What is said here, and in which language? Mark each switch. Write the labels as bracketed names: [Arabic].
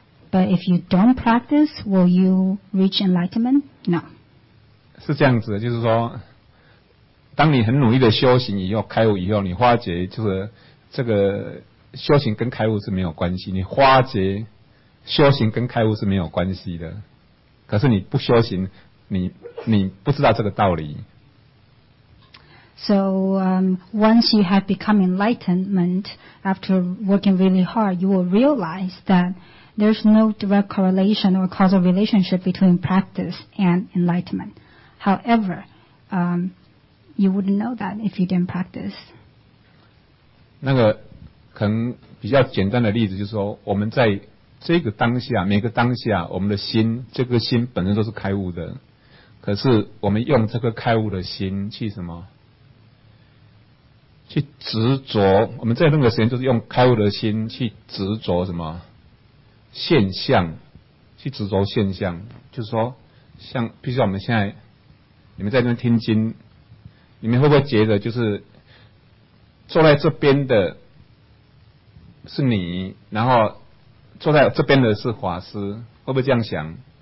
[English] But if you don't practice, will you reach enlightenment? No. [Chinese] 是这样子的，就是说，当你很努力的修行以后，开悟以后，你发觉就是这个修行跟开悟是没有关系。你发觉修行跟开悟是没有关系的，可是你不修行，你不知道这个道理。 [English] So, once you have become enlightenment after working really hard, you will realize that there's no direct correlation or causal relationship between practice and enlightenment. However, you wouldn't know that if you didn't practice. [Chinese] 那个可能比较简单的例子就是说，我们在这个当下，每个当下，我们的心，这个心本身都是开悟的，可是我们用这个开悟的心去什么？去执着，我们在那个时间就是用开悟的心去执着什么现象，去执着现象，就是说，像比如说我们现在，你们在那边听经，你们会不会觉得就是坐在这边的是你，然后坐在这边的是法师，会不会这样想